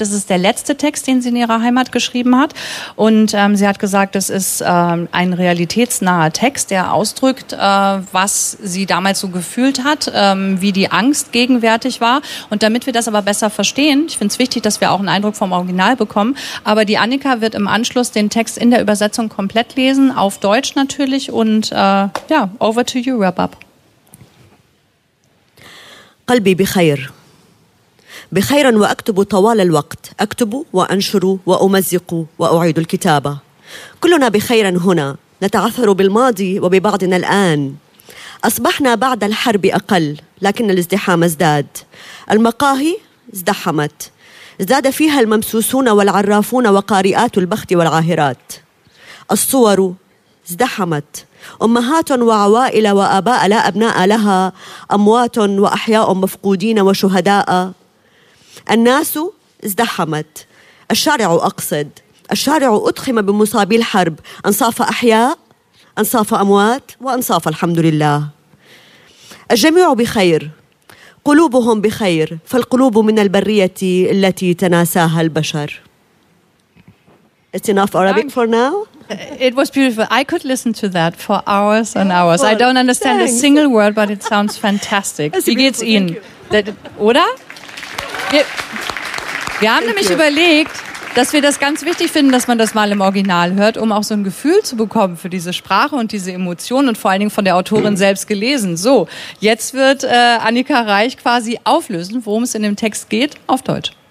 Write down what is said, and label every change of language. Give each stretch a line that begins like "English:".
German: Das ist der letzte Text, den sie in ihrer Heimat geschrieben hat. Und sie hat gesagt, das ist ein realitätsnaher Text, der ausdrückt, was sie damals so gefühlt hat, wie die Angst gegenwärtig war. Und damit wir das aber besser verstehen, ich finde es wichtig, dass wir auch einen Eindruck vom Original bekommen, aber die Annika wird im Anschluss den Text in der Übersetzung komplett lesen, auf Deutsch natürlich und
English: over to you,
German: Rabab.
Arabic: قلبي بخير بخيرا وأكتب طوال الوقت أكتب وأنشر وأمزق وأعيد الكتابة كلنا بخيرا هنا نتعثر بالماضي وببعضنا الآن أصبحنا بعد الحرب أقل لكن الازدحام ازداد المقاهي ازدحمت ازداد فيها الممسوسون والعرافون وقارئات البخت والعاهرات الصور ازدحمت أمهات وعوائل وآباء لا أبناء لها أموات وأحياء مفقودين وشهداء الناس ازدحمت الشارع أقصد الشارع أضخم بمصابي الحرب أنصاف أحياء أنصاف أموات وأنصاف الحمد لله الجميع بخير قلوبهم بخير فالقلوب من البرية التي تناساها البشر.
English: It's enough Arabic for now. It was beautiful. I could listen to that for hours and hours. I don't understand a single word, but it sounds fantastic.
German: Wie geht's Ihnen? Oder? Wir haben nämlich überlegt, dass wir das ganz wichtig finden, dass man das mal im Original hört, um auch so ein Gefühl zu bekommen für diese Sprache und diese Emotionen und vor allen Dingen von der Autorin selbst gelesen. So, jetzt wird Annika Reich quasi auflösen, worum es in dem Text geht, auf Deutsch.